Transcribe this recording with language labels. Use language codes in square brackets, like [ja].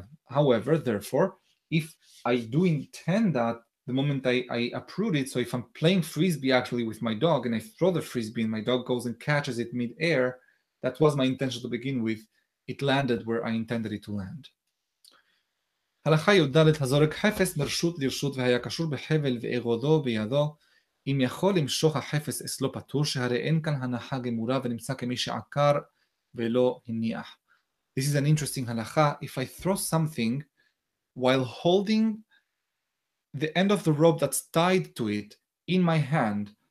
[en] However, therefore, if I do intend that the moment I uproot it, so if I'm playing frisbee actually with my dog and I throw the frisbee and my dog goes and catches it mid-air, that was my intention to begin with. It landed where I intended it to land. [he] הלכה י' ד' הזורק חפץ מרשות לרשות והיה קשור בחבל ואירודו בידו, אם יכול למשוך החפץ אסלו פטור, שהרי אין כאן הנחה גמורה ונמצא כמי שעקר ולא הניח. [en] This is an interesting הלכה. If I throw something while holding the end of the rope that's tied to it in my hand.